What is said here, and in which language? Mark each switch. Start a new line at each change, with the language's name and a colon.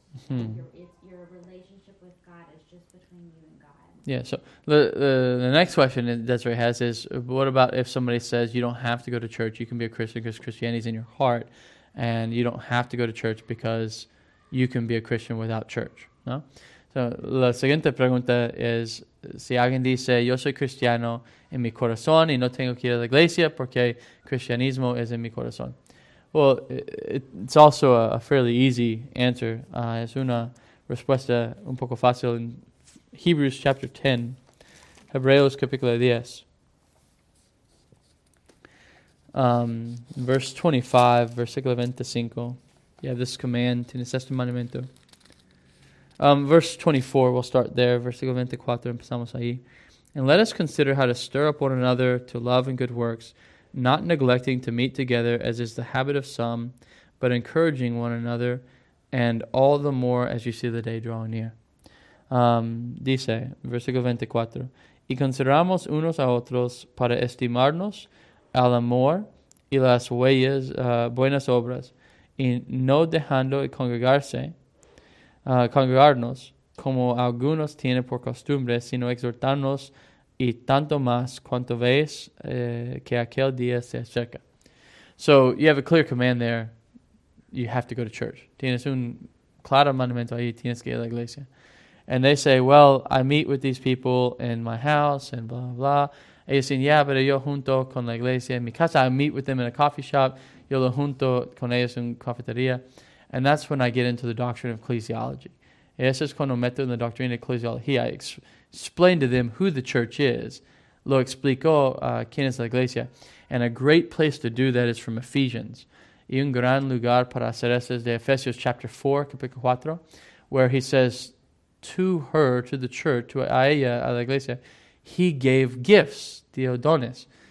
English: Your relationship with God is just between you and God. Yeah, so the next question Desiree has is, what about if somebody says you don't have to go to church, you can be a Christian because Christianity is in your heart, and you don't have to go to church because you can be a Christian without church, ¿no?
Spanish: So la siguiente pregunta es, si alguien dice, yo soy cristiano en mi corazón y no tengo que ir a la iglesia porque cristianismo es en mi corazón.
English: Well, it's also a fairly easy answer.
Spanish: Es una respuesta un poco fácil
English: in Hebrews chapter 10,
Spanish: Hebreos capítulo 10,
English: verse 25,
Spanish: versículo 25.
English: You have this command,
Spanish: tienes este mandamiento.
English: Verse 24, we'll start there,
Spanish: versículo 24, empezamos ahí.
English: And let us consider how to stir up one another to love and good works, not neglecting to meet together, as is the habit of some, but encouraging one another, and all the more as you see the day drawing near.
Spanish: Dice, versículo 24, y consideramos unos a otros para estimarnos al amor y las huellas, buenas obras, y no dejando de congregarnos, como algunos tienen por costumbre, sino exhortarnos y tanto más cuanto veis que aquel día se acerca.
English: So you have a clear command there. You have to go to church.
Spanish: Tienes un claro mandamiento ahí. Tienes que ir a la iglesia.
English: And they say, well, I meet with these people in my house and blah, blah, blah.
Spanish: Ellos dicen, yeah, pero yo junto con la iglesia en mi casa.
English: I meet with them in a coffee shop.
Spanish: Yo lo junto con ellos en cafetería.
English: And that's when I get into the doctrine of ecclesiology.
Spanish: Eso es cuando meto en la doctrina de ecclesiología.
English: I explain to them who the church is.
Spanish: Lo explico quién es la iglesia.
English: And a great place to do that is from Ephesians.
Spanish: Y un gran lugar para hacer eso es de Efesios
English: chapter 4,
Spanish: capítulo 4,
English: where he says to her, to the church,
Spanish: to a ella, a la iglesia,
English: he gave gifts,
Spanish: dio dones.